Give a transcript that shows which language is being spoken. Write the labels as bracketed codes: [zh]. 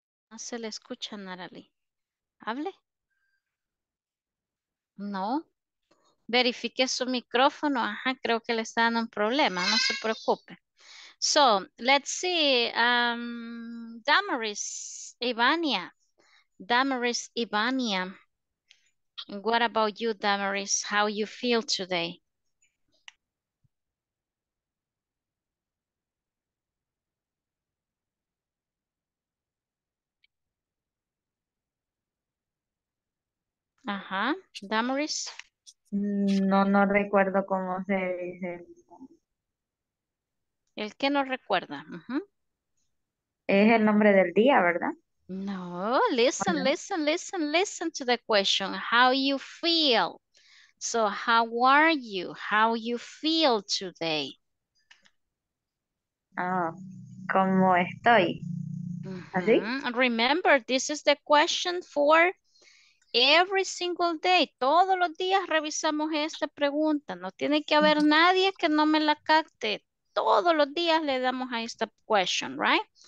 [es] No se le escucha, Natalie. ¿Hable? No. Verifique su micrófono. Ajá, creo que le está dando un problema. No se preocupe. [en] So, let's see, Damaris Ivania, what about you, Damaris? How you feel today? Ajá, Damaris. [es] No recuerdo cómo se dice. El que no recuerda. El nombre del día, ¿verdad? [en] No, listen, [es] Bueno. [en] listen, listen, listen to the question. How you feel? So, how are you? How you feel today? [es] Ah, ¿cómo estoy? ¿Así? [en] Remember, this is the question for every single day. [es] Todos los días revisamos esta pregunta. No tiene que haber nadie que no me la capte. Todos los días le damos a esta question, right?